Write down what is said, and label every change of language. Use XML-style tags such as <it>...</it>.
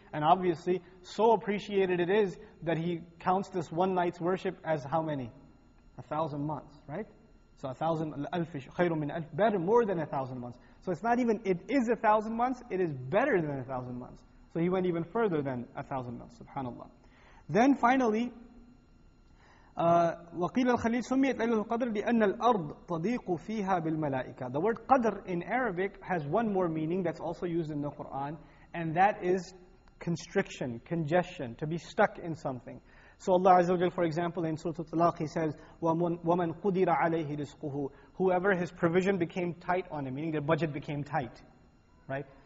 <en>And obviously, so appreciated it is that He counts this one night's worship as how many? 1,000 months, right? So 1,000, alfish,</en> <ar>khayrun min alf,</ar> <en>better, more than 1,000 months. So it's not even, it is 1,000 months, it is better than 1,000 months. So he went even further than 1,000 months, subhanAllah. Then finally,</en> <ar>وَقِيلَ الْخَلِيلِ سُمِّيَتْ لَيْلَةُ الْقَدْرِ لِأَنَّ الْأَرْضِ تَضِيقُ فِيهَا بِالْمَلَائِكَةِ.</ar> <en>The word qadr in Arabic has one more meaning that's also used in the Qur'an, and that is constriction, congestion, to be stuck in something. So Allah Azza wa Jalla, for example, in Surah Al-Talaq, He says,</en> <ar>وَمَنْ قُدِرَ عَلَيْهِ رِزْقُهُ.</ar> <en>Whoever his provision became tight on him, meaning their budget became tight, right?</en>